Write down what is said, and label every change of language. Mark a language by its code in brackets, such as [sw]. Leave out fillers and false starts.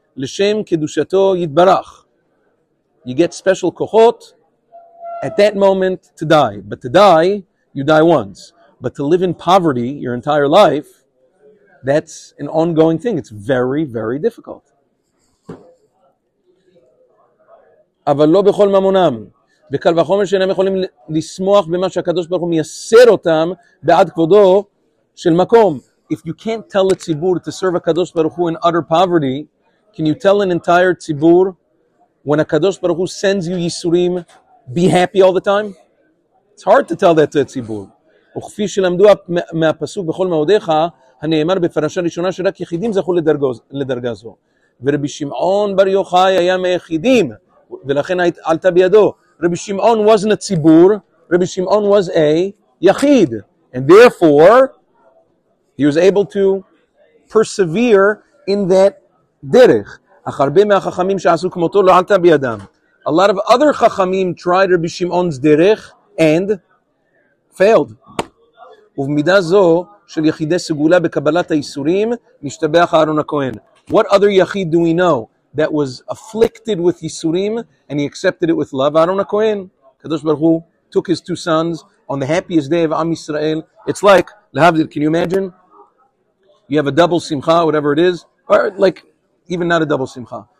[he] l'shem kedushato yitbarach. [en] You get special kohot at that moment to die. But to die, you die once. But to live in poverty your entire life, that's an ongoing thing. It's very, very difficult. [he] אבל לא בכל ממונם. בקל וחומר שאינם יכולים לשמוח במה שהקדוש ברוך הוא מייסר אותם בעד כבודו של מקום. [en] If you can't tell a tzibur to serve a kadosh baruch hu in utter poverty, can you tell an entire tzibur when a kadosh baruch hu sends you yisurim, be happy all the time? It's hard to tell that to a tzibur. [he] וכפי שלמדו מהפסוק בכל מאודיך, הנאמר בפרשה ראשונה שרק יחידים זכו לדרגה זו. ורבי שמעון בר יוחאי היה מיחידים, ולכן עלתה בידו. [en] רבי שמעון wasn't a tzibur, רבי שמעון was a יחיד. And therefore, he was able to persevere in that derech. [he] אך הרבה מהחכמים שעשו כמותו לא עלתה בידם. [en] A lot of other חכמים tried Rabbi Shimon's derech and failed. [he] ובמידה זו של יחידי סגולה בקבלת היסורים, משתבח אהרון הכהן. [en] What other יחיד do we know that was afflicted with יסורים and he accepted it with love? אהרון הכהן. קדוש ברוך הוא took his two sons on the happiest day of Am Yisrael. It's like, להבדיל, can you imagine? You have a double simcha, whatever it is, or like even not a double simcha.